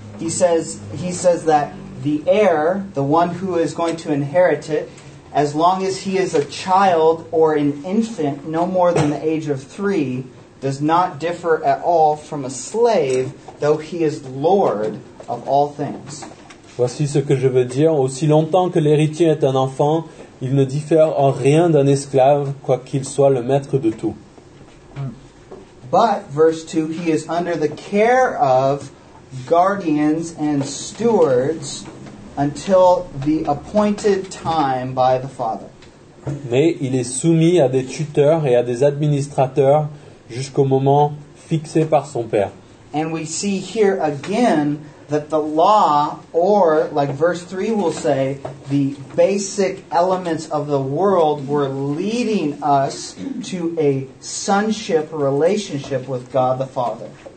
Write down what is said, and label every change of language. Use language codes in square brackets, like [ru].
[en] He says that the heir, the one who is going to inherit it, as long as he is a child or an infant, no more than the age of 3, does not differ at all from a slave, though he is lord of all things. [fr] Voici ce que je veux dire. Aussi longtemps que l'héritier est un enfant, il ne diffère en rien d'un esclave, quoiqu'il soit le maître de tout. [en] But, verse 2, he is under the care of guardians and stewards until the appointed time by the Father. [fr] Mais il est soumis à des tuteurs et à des administrateurs jusqu'au moment fixé par son Père. [en] And we see here again that the law, or like verse 3 will say, the basic elements of the world were leading us to a sonship relationship with God the Father.